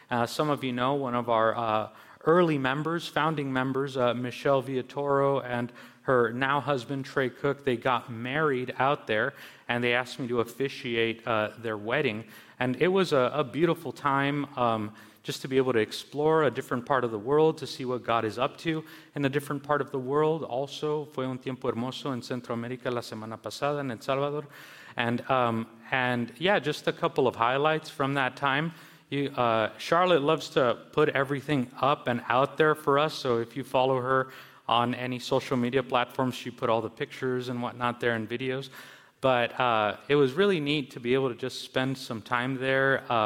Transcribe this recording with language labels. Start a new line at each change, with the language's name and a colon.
English: Some of you know one of our early members, founding members, Michelle Villatoro and her now husband, Trey Cook. They got married out there, and they asked me to officiate their wedding. And it was a beautiful time just to be able to explore a different part of the world, to see what God is up to in a different part of the world.
Spanish: Also, fue un tiempo hermoso en Centroamérica la semana pasada en El Salvador.
English: And just a couple of highlights from that time. Charlotte loves to put everything up and out there for us. So if you follow her on any social media platforms, she put all the pictures and whatnot there and videos. But it was really neat to be able to just spend some time there.